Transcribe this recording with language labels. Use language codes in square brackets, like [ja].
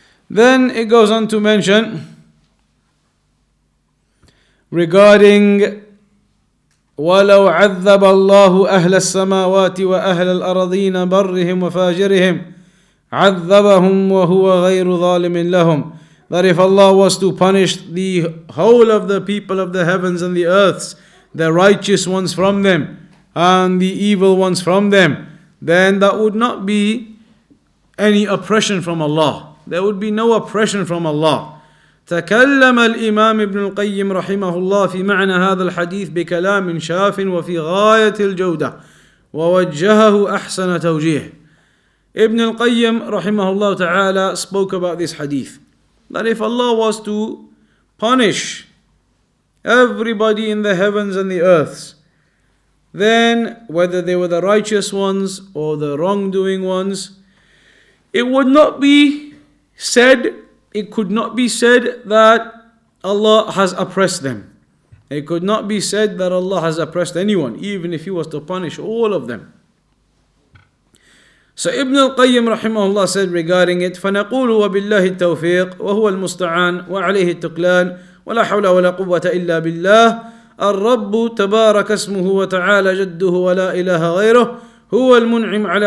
[en] Then it goes on to mention regarding [ar] وَلَوْ عَذَّبَ اللَّهُ أَهْلَ السَّمَاوَاتِ وَأَهْلَ الْأَرَضِينَ بَرِّهِمْ وَفَاجِرِهِمْ عَذَّبَهُمْ وَهُوَ غَيْرُ ظَالِمٍ لَهُمْ. [en] That if Allah was to punish the whole of the people of the heavens and the earths, the righteous ones from them and the evil ones from them, then that would not be any oppression from Allah. There would be no oppression from Allah. [ar] تكلم الإمام ابن القيم رحمه الله في معنى هذا الحديث بكلام شاف وفي غاية الجودة ووجهه أحسن توجيه. [en] Ibn al-Qayyim رحمه الله تعالى spoke about this hadith, that if Allah was to punish everybody in the heavens and the earths, then whether they were the righteous ones or the wrongdoing ones, it could not be said that Allah has oppressed them. It could not be said that Allah has oppressed anyone, even if He was to punish all of them. So Ibn al-Qayyim rahimahullah said regarding it, [ar] فَنَقُولُ وَبِاللَّهِ التَّوْفِيقُ وَهُوَ الْمُسْتَعَانُ وَعَلَيْهِ التُقْلَانُ وَلَا حَوْلَ وَلَا قُوَّةَ إِلَّا بِاللَّهِ الرَّبُّ تَبَارَكَ اسْمُهُ وَتَعَالَ جَدُّهُ وَلَا إِلَهَ غَيْرُهُ هُوَ الْمُنْعِمُ